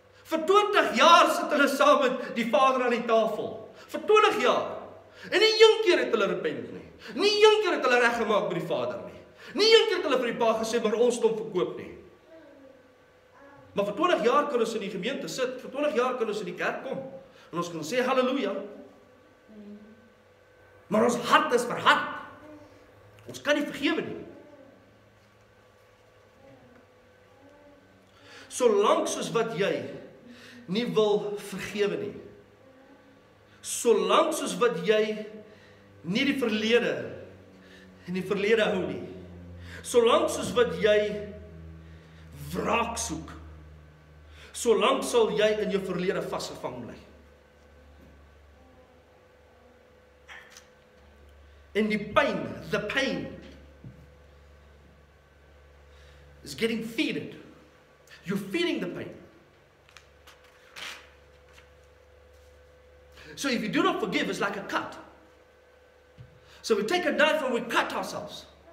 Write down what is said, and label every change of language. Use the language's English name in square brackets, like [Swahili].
[Afrikaans] Vir 20 jaar sit hulle saam met die vader aan die tafel. Vir 20 jaar. En nie een keer het hulle repent nie. Nie een keer het hulle reg gemaak met die vader nie. Nie een keer het hulle vir die pa gesê, maar ons kom verkoop nie. Maar vir 20 jaar kan ons in die gemeente sit, vir 20 jaar kan ons in die kerk kom, en ons kan sê, halleluja. Maar ons hart is verhard. Ons kan nie vergewe nie. Solank soos wat jy nie wil vergewe nie, solank soos wat jy nie die verlede in die verlede hou nie, solank soos wat jy wraak soek, solank sal jy in jou verlede vasgevang bly. En die pyn, [English] the pain, is getting fed. You're feeding the pain. So if you do not forgive, it's like a cut. So we take a knife and we cut ourselves.